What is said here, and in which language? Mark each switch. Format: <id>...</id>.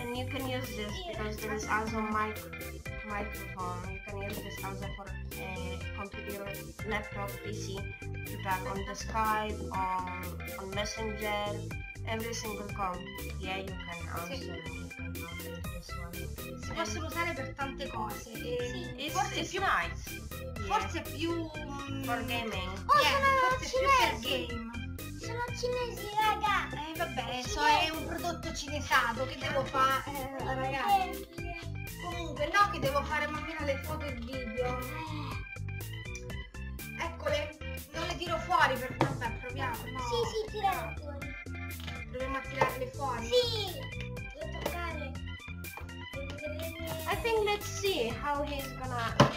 <en>And you can use this because there is also microphone. You can use this also for a computer, laptop, PC to talk on the Skype or on Messenger, every single comp. Yeah, you can also use this one.</en> <it>Si possono usare per tante cose. Sì. Forse it's nice. Forse più</it> <en>for gaming. Oh, yeah,</en> <it>sono forse più per game. Sono cinesi, raga! Vabbè, cinesi. So è un prodotto cinesato, che devo fare? Ragazzi. Comunque, no, che devo fare mattina le foto e il video. Eccole, non le tiro fuori per... Vabbè, proviamo, no. Sì, tirate fuori. Proviamo a tirarle fuori? Sì! Devo toccare. Devo</it> <en>I think let's see how he's gonna...</en>